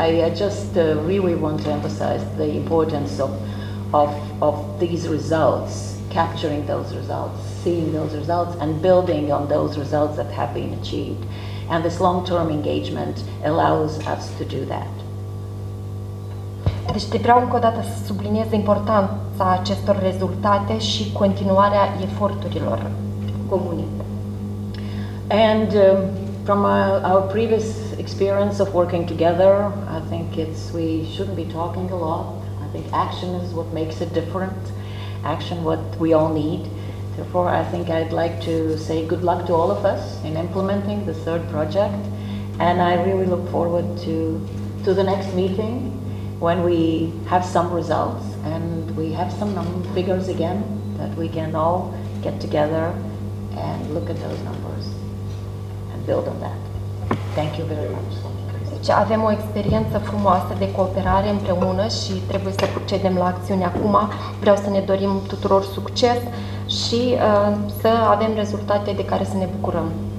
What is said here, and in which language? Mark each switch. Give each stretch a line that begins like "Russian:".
English: I just really want to emphasize the importance of these results, capturing those results, seeing those results, and building on those results that have been achieved. And this long-term engagement allows us to do that.
Romanian: Deci vreau încă o dată să subliniez importanța acestor rezultate și continuarea eforturilor comune.
English: And from our previous experience of working together, I think it's we shouldn't be talking a lot. I think action is what makes it different. Action what we all need. Therefore, I think I'd like to say good luck to all of us in implementing the third project, and I really look forward to the next meeting. When we have some results and we have some figures again that we can all get together and look at those numbers and build on that. Thank you very much.
Romanian: Deci avem o experiență frumoasă de cooperare împreună și trebuie să procedem la acțiune acum. Vreau să ne dorim tuturor succes și să avem rezultate de care să ne bucurăm.